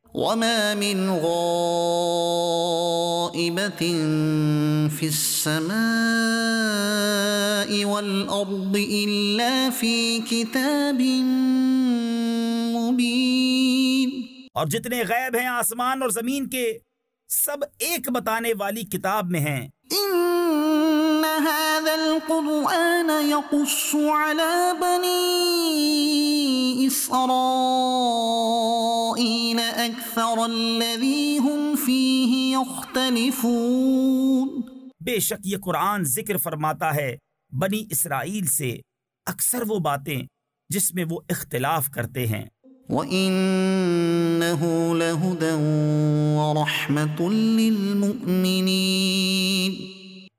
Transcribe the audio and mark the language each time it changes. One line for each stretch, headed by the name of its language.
Arabic: وَمَا مِنْ غَائِبَةٍ فِي السَّمَاءِ وَالْأَرْضِ إِلَّا فِي كِتَابٍ مُبِينٍ،
Urdu: اور جتنے غائب ہیں آسمان اور زمین کے سب ایک بتانے والی کتاب میں ہیں۔
Arabic: ان هذا القرآن يقص على بني اسرائيل اكثر الذي هم فيه يختلفون،
Urdu: بے شک یہ قرآن ذکر فرماتا ہے بنی اسرائیل سے اکثر وہ باتیں جس میں وہ اختلاف کرتے ہیں۔
Arabic: وَإِنَّهُ لَهُدًى وَرَحْمَةٌ لِّلْمُؤْمِنِينَ،